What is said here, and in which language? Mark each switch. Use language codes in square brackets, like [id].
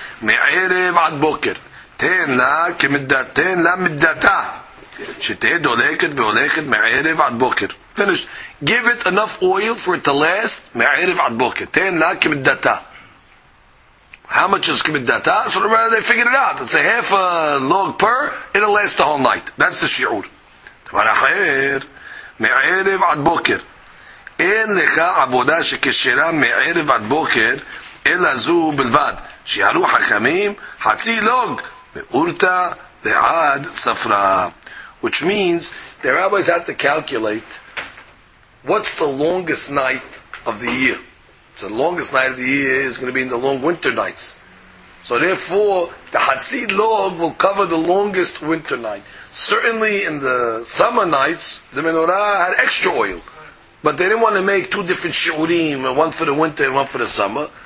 [he] מערב עד בוקר תן לה כמדת תן לה מדתה שתהיה דולקת והולכת מערב עד בוקר. [en] Finish. Give it enough oil for it to last [he] מערב עד בוקר תן לה כמדתה. [en] How much is כמדתה? So they figured it out. It's a half a log per. It'll last the whole night. That's the שיעור. [he] דבר אחר, מערב עד בוקר אין לך עבודה שכשרה מערב עד בוקר אלא זו בלבד שיערו חכמים חצי לוג מאורתא ועד ספרא, [en] which means the rabbis had to calculate what's the longest night of the year. So the longest night of the year is going to be in the long winter nights. So therefore, the Hatsi log will cover the longest winter night. Certainly in the summer nights, the menorah had extra oil. But they didn't want to make two different shiurim, one for the winter and one for the summer.